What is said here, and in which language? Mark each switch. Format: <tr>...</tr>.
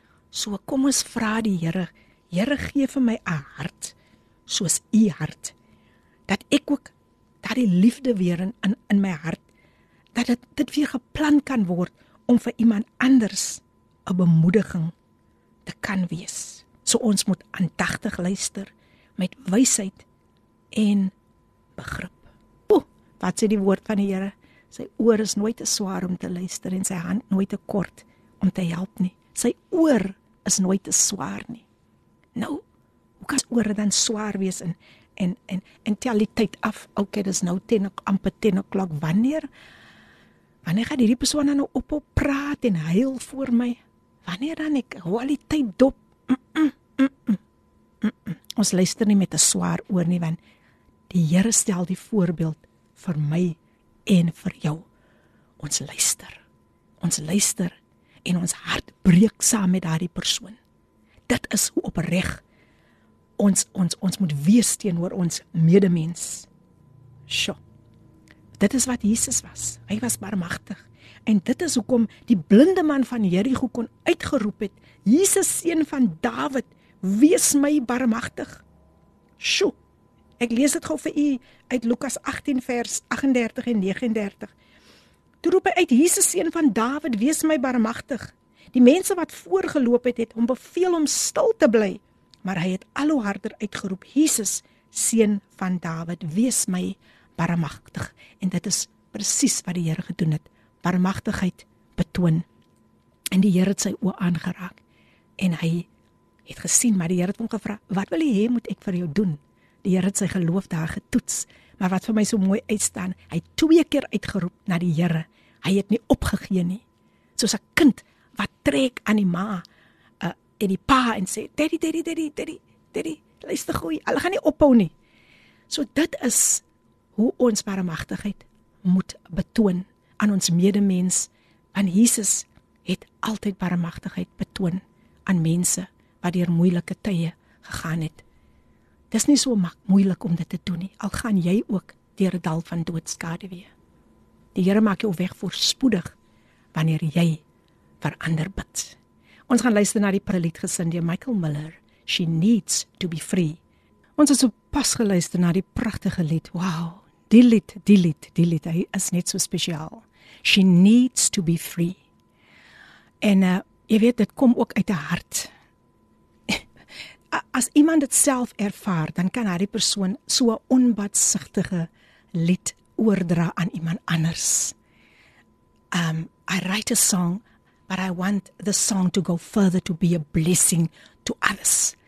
<af>So kom ons vra die Here, Here gee vir my 'n hart soos u hart, dat ek ook daardie liefde weer in my hart, dat dit weer geplant kan word om vir iemand anders 'n bemoediging te kan wees. So ons moet aandagtig luister met wysheid en begrip. O, wat sê die woord van die Here? Sy oor is nooit te swaar om te luister en sy hand nooit te kort om te help nie. Sy oor is nooit te swaar nie. Nou, hoe kan ore dan swaar wees en tel die tyd af? Okay, dis nou 10, amper 10 o'clock. Wanneer gaan hierdie persoon dan nou ophou praat en huil voor my? Wanneer dan ek hoor die tyd dop? Ons luister nie met 'n swaar oor nie, want die Here stel die voorbeeld vir my en vir jou. Ons luister. Ons luister en ons hart breek saam met daardie persoon. Dit is hoe opreg ons moet wees teenoor ons medemens. Sjoe. Dit is wat Jesus was. Hy was barmhartig. En dit is hoekom die blinde man van Jeriko kon uitgeroep het, Jesus seun van Dawid, wees my barmhartig. Sjoe. Ek lees dit gou vir u uit Lukas 18 vers 38 en 39. Toe roep hy uit, Jesus seun van Dawid, wees my barmhartig. Die mense wat voorgeloop het, het hom beveel om stil te bly, maar hy het al hoe harder uitgeroep, Jesus seun van Dawid, wees my barmhartig. En dit is presies wat die Here gedoen het. Barmhartigheid betoon. En die Here het sy oë aangeraak. En hy het gesien, maar die Here het hom gevra, wat wil jy hê moet ek vir jou doen? Die Here het sy geloof daar getoets. Maar wat vir my so mooi uitstaan, hy het twee keer uitgeroep na die Here. Hy het nie opgegee nie. Soos 'n kind wat trek aan die ma en die pa en sê, daddy, luister goed, hulle gaan nie ophou nie. So dit is hoe ons barmhartigheid moet betoon aan ons medemens, want Jesus het altyd barmhartigheid betoon aan mense wat deur moeilike tye gegaan het. Dis nie so moeilik om dit te doen nie, al gaan jy ook deur 'n dal van doodskade wee. Die Here maak jou weg voorspoedig wanneer jy vir ander bid. Ons gaan luister na die prelied gesing deur Michael Miller, She Needs to be Free. Ons het so pas geluister na die pragtige lied. Wow, die lied, hy is net so spesiaal. She needs to be free. En jy weet, dit kom ook uit 'n hart. As iemand dit self ervaar, dan kan hy die persoon so 'n onbaatsigtige lied oordra aan iemand anders.</af> <en>I write a song, but I want the song to go further to be a blessing to others.</en>